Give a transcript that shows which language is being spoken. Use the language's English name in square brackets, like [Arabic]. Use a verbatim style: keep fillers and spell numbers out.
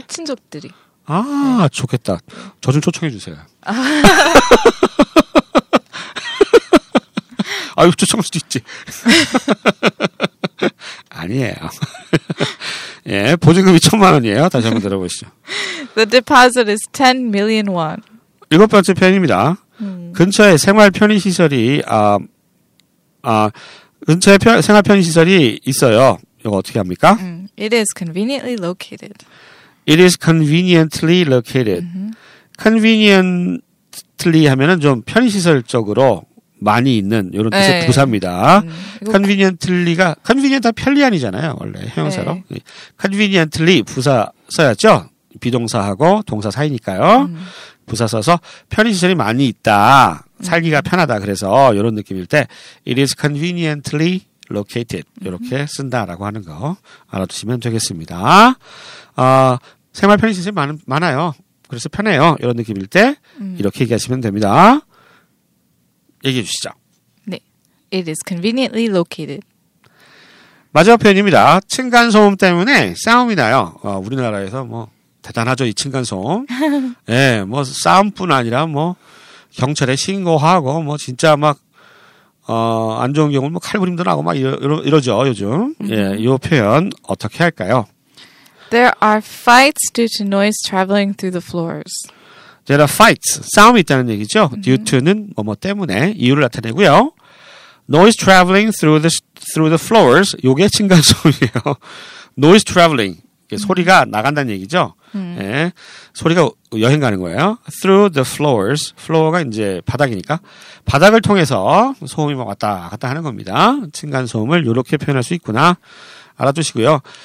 [Korean] 친- 친족들이. 아 좋겠다. 저 좀 초청해 주세요. 아유 초청할 수도 있지. 아니에요. 예 보증금이 천만 원이에요. 다시 한번 들어보시죠. [English] The deposit is ten million won. [Korean] 일곱 번째 표현입니다. 근처에 생활 편의 시설이 아, 아 근처에 편- 생활 편의 시설이 있어요. 이거 어떻게 합니까? [English] 음, It is conveniently located. It is conveniently located. [Korean] conveniently 하면은 좀 편의시설적으로 많이 있는 이런 뜻의 네. 부사입니다. 음, 이거 conveniently가 convenient 편리한이잖아요. 원래 형용사로. 네. conveniently 부사 써야죠. 비동사하고 동사 사이니까요. 음. 부사 써서 편의시설이 많이 있다. 살기가 편하다. 그래서 이런 느낌일 때 [English] it is conveniently located [Korean] 이렇게 쓴다라고 하는 거 알아두시면 되겠습니다. 아, 생활 편의시설이 많, 많아요. 그래서 편해요. 이런 느낌일 때 이렇게 얘기하시면 됩니다. 얘기해 주시죠. 네. [English] It is conveniently located. [Korean] 마지막 표현입니다. 층간소음 때문에 싸움이 나요. 어, 우리나라에서 뭐, 대단하죠, 이 층간소음. 예, 뭐, 싸움뿐 아니라 뭐, 경찰에 신고하고, 뭐, 진짜 막, 어, 안 좋은 경우는 뭐, 칼부림도 나고 막 이러, 이러, 이러죠, 요즘. 예, 이 표현 어떻게 할까요? [English] There are fights due to noise traveling through the floors. There are fights. [Korean] 싸움이 있다는 얘기죠. due to는 뭐뭐 때문에 이유를 나타내고요. [English] noise traveling through the, through the floors. [Korean] 요게 층간소음이에요. noise traveling. 이게 소리가 나간다는 얘기죠. 예. 소리가 여행 가는 거예요. [English] through the floors. [Korean] floor가 이제 바닥이니까. 바닥을 통해서 소음이 막 왔다 갔다 하는 겁니다. 층간소음을 요렇게 표현할 수 있구나. 알아두시고요.